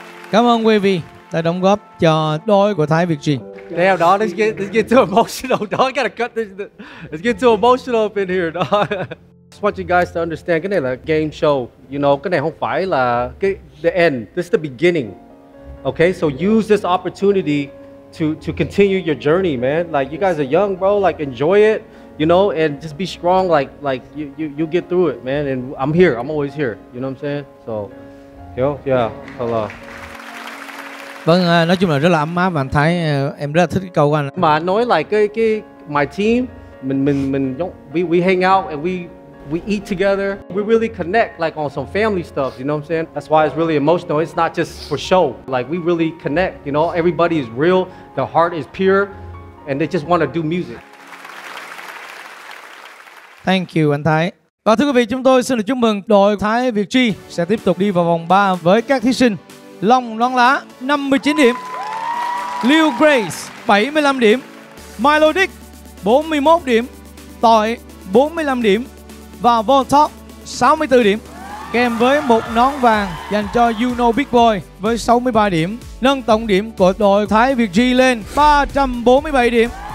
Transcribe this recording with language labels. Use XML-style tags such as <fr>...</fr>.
<vi>Cảm ơn quý vị đã đóng góp cho đôi của Thái Việt Trì.</vi> <en>Damn, dog, let's get too emotional, dog. I gotta cut this. Let's get too emotional up in here, dog. Just want you guys to understand,</en> <vi>cái này là game show.</vi> <en>You know,</en> <vi>cái này không phải là cái</vi> <en>the end. This is the beginning. Okay, so use this opportunity to continue your journey, man. Like, you guys are young, bro. Like, enjoy it, you know, and just be strong. Like you get through it, man. And I'm here. I'm always here. You know what I'm saying? So, yo, yeah, hello.</en> <vi>Vâng, nói chung là rất là ấm áp và anh Thái, em rất là thích cái câu của anh. Mà nói lại cái</vi> <en>my team, we hang out and we eat together. We really connect like on some family stuff, you know what I'm saying? That's why it's really emotional. It's not just for show. Like, we really connect, you know? Everybody is real, their heart is pure, and they just want to do music. Thank you, anh Thái.</en> <vi>Và thưa quý vị, chúng tôi xin được chúc mừng đội Thái Việt Tri sẽ tiếp tục đi vào vòng 3 với các thí sinh Long Loan Lá 59 điểm, Lil Grace 75 điểm, Milo Dick 41 điểm, Tội 45 điểm và Voltop 64 điểm, kèm với một nón vàng dành cho You Know Big Boy với 63 điểm, nâng tổng điểm của đội Thái Việt Tri lên 347 điểm.</vi>